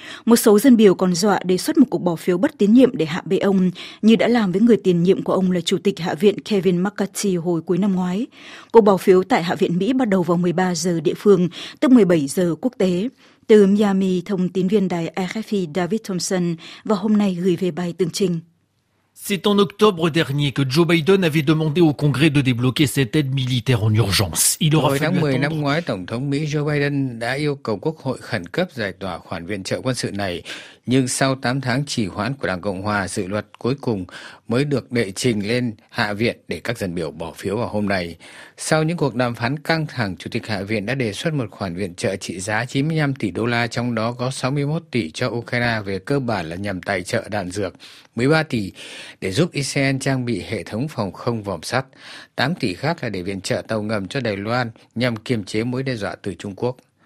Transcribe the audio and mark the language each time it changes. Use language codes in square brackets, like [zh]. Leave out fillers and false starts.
[vi] Một số dân biểu còn dọa đề xuất một cuộc bỏ phiếu bất tín nhiệm để hạ bệ ông, như đã làm với người tiền nhiệm của ông là Chủ tịch Hạ viện Kevin McCarthy hồi cuối năm ngoái. Cuộc bỏ phiếu tại Hạ viện Mỹ bắt đầu vào 13 giờ địa phương, tức 17 giờ quốc tế. Từ Miami, thông tin viên đài RFI David Thompson và hôm nay gửi về bài tường trình. [fr] C'est en octobre dernier que Joe Biden avait demandé au Congrès de débloquer cette aide militaire en urgence. Il aura fallu attendre. [vi] Năm ngoái, Tổng thống Mỹ Joe Biden đã yêu cầu Quốc hội khẩn cấp giải tỏa khoản viện trợ quân sự này, nhưng sau 8 tháng trì hoãn của Đảng Cộng hòa, dự luật cuối cùng mới được đệ trình lên Hạ viện để các dân biểu bỏ phiếu vào hôm nay. Sau những cuộc đàm phán căng thẳng, Chủ tịch Hạ viện đã đề xuất một khoản viện trợ trị giá 95 tỷ đô la, trong đó có 61 tỷ cho Ukraine về cơ bản là nhằm tài trợ đạn dược, 13 tỷ để giúp Israel trang bị hệ thống phòng không vòm sắt, 8 tỷ khác là để viện trợ tàu ngầm cho Đài Loan nhằm kiềm chế mối đe dọa từ Trung Quốc.